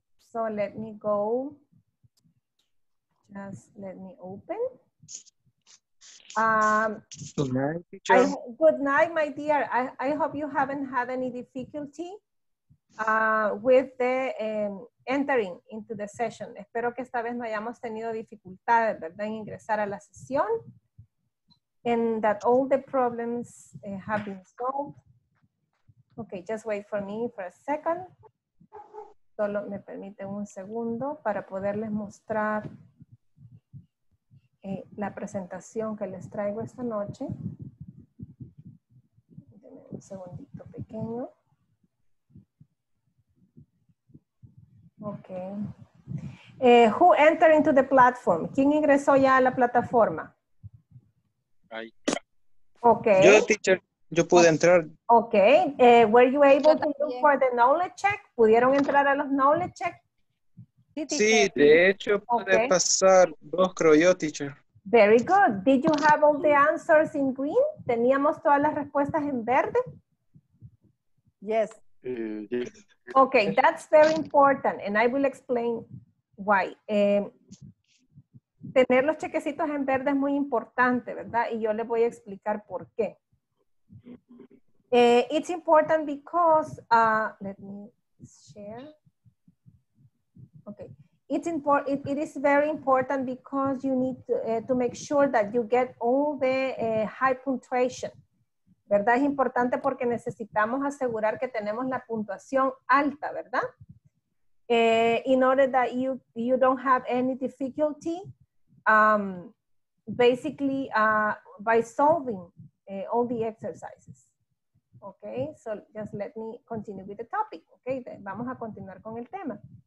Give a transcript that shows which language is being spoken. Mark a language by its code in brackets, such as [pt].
[en] So let me go, just let me open. Good night, my dear. I hope you haven't had any difficulty with the entering into the session. [es] Espero que esta vez no hayamos tenido dificultades, ¿verdad? En ingresar a la sesión. [en] And that all the problems have been solved. Okay, just wait for me for a second. [es] Solo me permiten un segundo para poderles mostrar la presentación que les traigo esta noche. Denme un segundito pequeño. [en] Ok. Who entered into the platform? [es] ¿Quién ingresó ya a la plataforma? Ay. [en] Ok. [es] Yo, teacher. Yo pude entrar. [en] Ok. Were you able to look for the knowledge check? [es] ¿Pudieron entrar a los knowledge check? Sí, de hecho, pude pasar dos, creo yo, teacher. [en] Very good. Did you have all the answers in green? [es] ¿Teníamos todas las respuestas en verde? [en] Yes. Ok, that's very important, and I will explain why. [es] Tener los chequecitos en verde es muy importante, ¿verdad? Y yo les voy a explicar por qué. [en] It's important because, let me share. Okay. It is very important because you need to make sure that you get all the high punctuation. [es] ¿Verdad? Es importante porque necesitamos asegurar que tenemos la puntuación alta, ¿verdad? [en] In order that you don't have any difficulty, basically by solving all the exercises. Okay, so just let me continue with the topic. Okay, [es] vamos a continuar con el tema.